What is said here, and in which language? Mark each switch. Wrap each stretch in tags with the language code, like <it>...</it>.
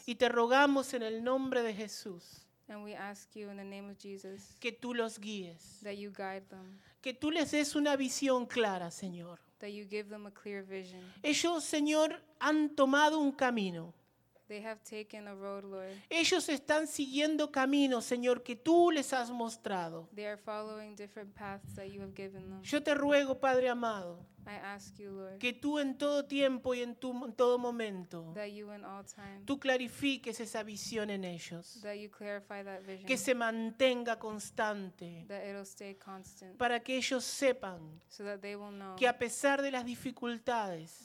<es>Y te rogamos en el nombre de Jesús.</es> <en>And we ask you in the name of Jesus,</en> <es>que tú los guíes.</es> <en>That you guide them.</en> <es>Que tú les des una visión clara, Señor.</es> <en>That you give them a clear vision.</en> <es>Ellos, Señor, han tomado un camino.</es> <en>They have taken a road, Lord.</en> <es>Ellos están siguiendo caminos, Señor, que tú les has mostrado.</es> <en>They are following different paths that you have given them.</en> <es>Yo te ruego, Padre amado,</es> <en>I ask you, Lord,</en> <es>que tú en todo tiempo y en todo momento,</es> <en>that you in all time,</en> <es>tú clarifiques esa visión en ellos.</es> <en>That you clarify that vision,</en> <es>que se mantenga constante.</es> <en>That it'll stay constant,</en> <es>para que ellos sepan,</es> <en>so that they will know,</en> <es>que a pesar de las dificultades,</es>